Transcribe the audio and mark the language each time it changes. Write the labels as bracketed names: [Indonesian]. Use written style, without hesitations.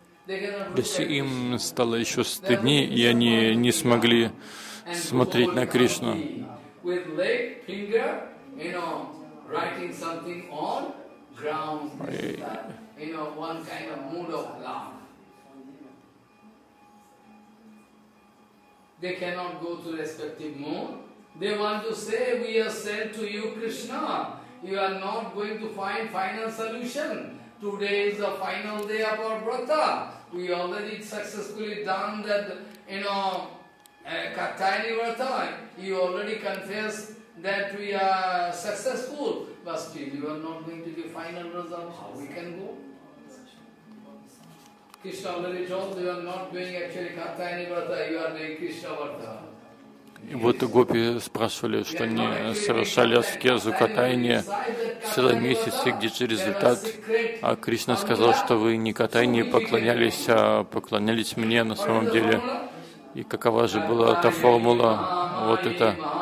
[Russian] То есть им стало еще стыднее, и они не смогли смотреть на Кришну. [English] With leg, finger, you know, writing something on ground, you know, one kind of mood of love. They cannot go to respective mood. They want to say, we are sent to you, Krishna. You are not going to find final solution. Today is the final day of our vrata. We already successfully done that, you know, Kattayani Vrata, you already confessed that we are successful, but still you are not going to give final result. How we can go? Krishna already told you are not doing actually Kattayani Vrata, you are doing Krishna Vrata. [Russian] И вот гопи спрашивали, что они совершали аскезу катайни целый месяц, и где же результат? А Кришна сказал, что вы не катайни поклонялись, а поклонялись мне на самом деле. И какова же была эта формула? Вот это.